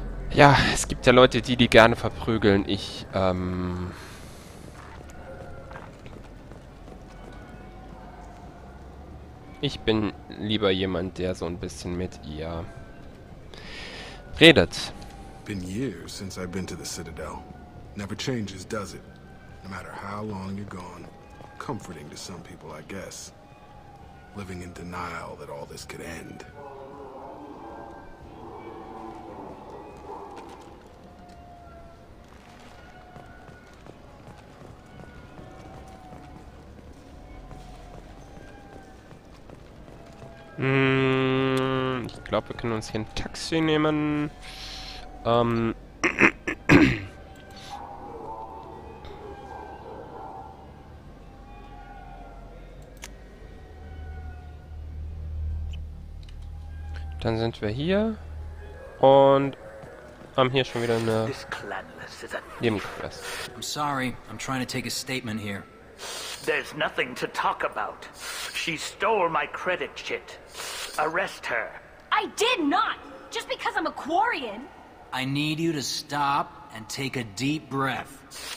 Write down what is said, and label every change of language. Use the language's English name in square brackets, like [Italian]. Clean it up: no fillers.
[German] Ja, es gibt ja Leute, die gerne verprügeln. Ich, ich bin lieber jemand, der so ein bisschen mit ihr redet. [English] Been years since I've been to the Citadel. Never changes, does it? No matter how long you're gone. Comforting to some people, I guess. Living in denial that all this could end. [German] Ich glaube, wir können uns hier ein Taxi nehmen. Dann sind wir hier und haben hier schon wieder eine Nebenquest. [English] I'm sorry, I'm trying to take a statement here. There's nothing to talk about. She stole my credit shit. Arrest her. I did not! Just because I'm a Quarian! I need you to stop and take a deep breath.